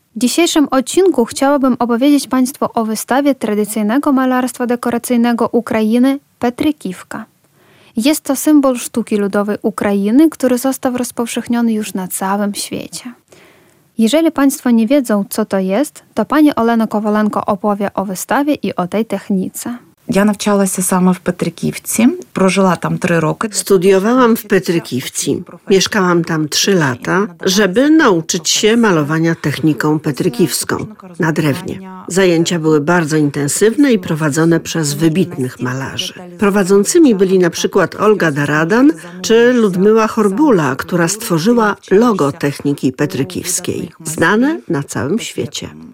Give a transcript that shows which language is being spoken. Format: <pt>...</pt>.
<pl>W dzisiejszym odcinku chciałabym opowiedzieć Państwu o wystawie tradycyjnego malarstwa dekoracyjnego Ukrainy Petry Kiwka. Jest to symbol sztuki ludowej Ukrainy, który został rozpowszechniony już na całym świecie. Jeżeli Państwo nie wiedzą, co to jest, to pani Olena Kowalenko opowie o wystawie i o tej technice.</pl> <uk>Я навчалася саме в Петриківці, прожила там 3 роки.</uk> <pl>Studiowałam w Petrykiwce. Mieszkałam tam 3 lata, żeby nauczyć się malowania techniką petrykiwską na drewnie. Zajęcia były bardzo intensywne i prowadzone przez wybitnych malarzy. Prowadzącymi byli na przykład Olga Daradan czy Ludmyła Horbula, która stworzyła logo techniki petrykiwskiej, znane na całym świecie.</pl>